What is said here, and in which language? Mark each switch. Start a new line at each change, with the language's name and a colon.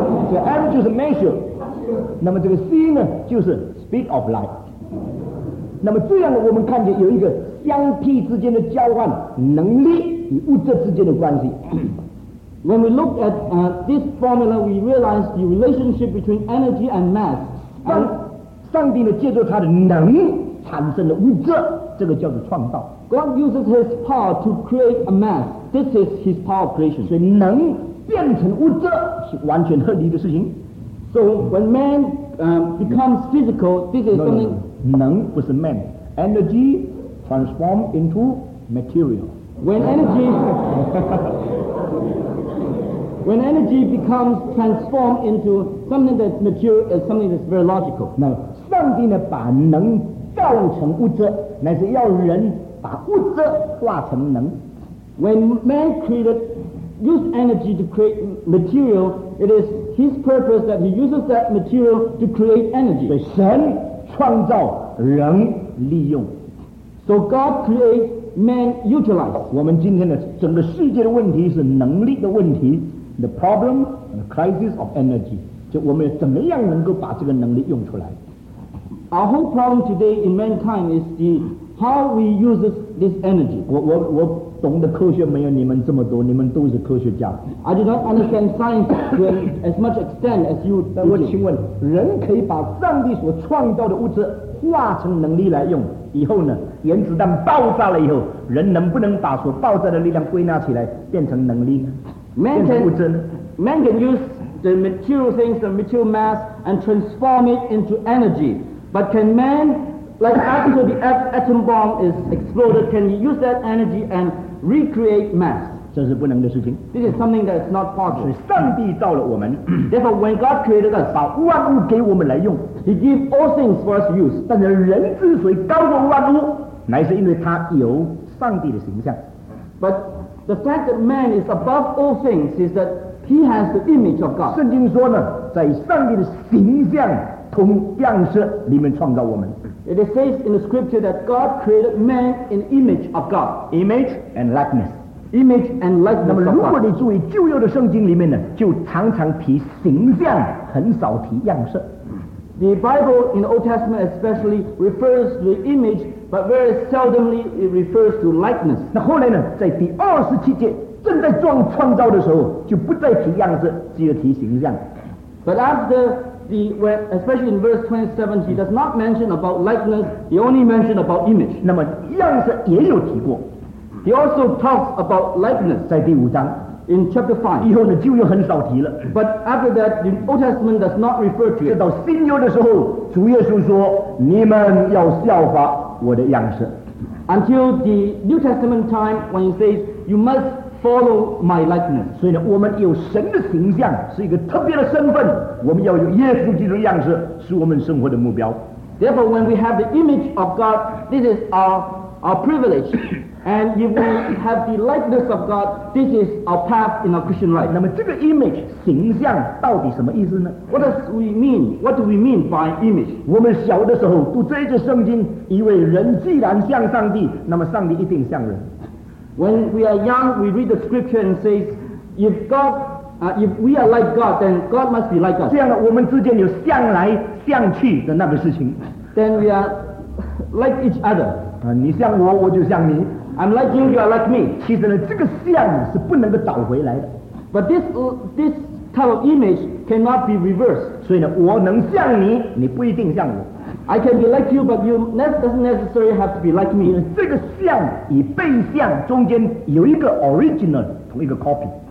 Chinese: So M 就是 measure. 那么这个 C 呢就是
English: speed of light.
Chinese: 那么这样我们看见有一个相替之间的交换能力与物质之间的关系。
English: When we look at this formula, we realize the relationship between energy and mass.
Chinese: 上帝呢，借助他的能产生了物质，这个叫做创造。
English: God uses his power to create a mass. This is his power of creation.
Chinese: 所以能变成物质是完全合理的事情。
English: So when man becomes physical, this is something.
Chinese: No. 能不是 man.
English: Energy transform into material. When energy becomes transformed into something that's material, is something that's very logical.
Chinese: 那上帝呢，把能造成物质，乃是要人把物质化成能。
English: When man created use energy to create material, it is his purpose that he uses that material to create energy.
Chinese: 神创造人利用。
English: So God creates, man utilize.
Chinese: 我们今天的整个世界的问题是能力的问题。
English: The problem and the crisis of energy.
Chinese: 就我们怎么样能够把这个能力用出来。
English: Our whole problem today in mankind is the how we use this energy.
Chinese: 我懂得科学没有你们这么多，你们都是科学家。
English: I do not understand science to as much extent as you.
Chinese: 但我请问，人可以把上帝所创造的物质化成能力来用，以后呢，原子弹爆炸了以后，人能不能把所爆炸的力量归纳起来，变成能力呢？
English: Man can,
Chinese: 变成物质呢？
English: Man can use the material things, the material mass, and transform it into energy. But can man, like after the atom bomb is exploded, can he use that energy and recreate mass?
Chinese: 这是不能的事情。
English: This is something that is not possible.
Chinese: 是上帝造了我们。
English: Therefore, when God created us,
Chinese: 把万物给我们来用。
English: He gave all things for us to use.
Chinese: 但是人之所以高过万物，乃是因为他有上帝的形象。
English: But the fact that man is above all things is that he has the image of God.
Chinese: 圣经说呢，在上帝的形象从样式里面创造我们。
English: It says in the scripture that God created man in image of God. Image and likeness. Image and likeness.
Chinese: 那么，如果你注意旧约的圣经里面呢，就常常提形象，很少提样式。
English: The Bible in the Old Testament especially refers to the image, but very seldomly it refers to likeness.
Chinese: 那后来呢，在第二十七节正在做创造的时候，就不再提样式，只有提形象。
English: But after the when, especially in verse 27, he does not mention about likeness. He only mentioned about image.
Chinese: 那么样式也有提过。
English: He also talks about likeness
Chinese: 在第五章
English: in chapter 5.
Chinese: 以后呢就又很少提了。
English: But after that, the Old Testament does not refer to it.
Chinese: 直到新约的时候，主耶稣说：“你们要效法我的样式。”
English: Until the New Testament time, when he says, "You must follow my likeness."
Chinese: 所以呢，我们有神的形象是一个特别的身份，我们要有耶稣基督的样式是我们生活的目标。
English: Therefore, when we have the image of God, this is our privilege. And if we have the likeness of God, this is our path in our Christian life.
Chinese: 那么这个 image 形象到底什么意思呢？
English: What does we mean? What do we mean by image?
Chinese: 我们小的时候读这一节圣经，以为人既然像上帝，那么上帝一定像人。
English: When we are young, we read the scripture and says, if God,if we are like God, then God must be like us.
Chinese: 这样的，我们之间有向来向去的那个事情。
English: Then we are like each other.
Chinese: 啊，你像我，我就像你。
English: I'm like you, you are like me.
Chinese: 其实呢，这个像是不能够找回来的。
English: But this type of image cannot be reversed.
Chinese: 所以呢，我能像你，你不一定像我。
English: I can be like you, but you doesn't necessarily have to be like me.
Chinese: 这个像与被像中间有一个 original， 同一个 copy.